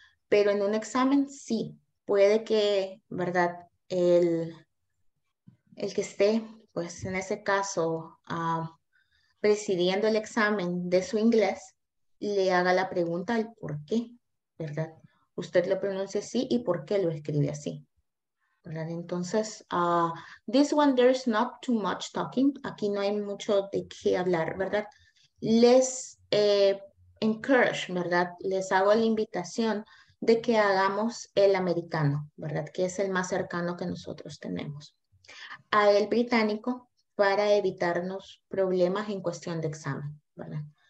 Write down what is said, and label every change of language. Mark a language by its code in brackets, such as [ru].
[es] Pero en un examen, sí. Puede que, ¿verdad? El que esté, pues en ese caso, presidiendo el examen de su inglés, le haga la pregunta del por qué, ¿verdad? Usted lo pronuncia así y por qué lo escribe así. ¿Verdad? [en] Entonces, this one, there's not too much talking. [es] Aquí no hay mucho de qué hablar, ¿verdad? Les encourage, ¿verdad? Les hago la invitación de que hagamos el americano, ¿verdad? Que es el más cercano que nosotros tenemos. A el británico para evitarnos problemas en cuestión de examen, ¿verdad?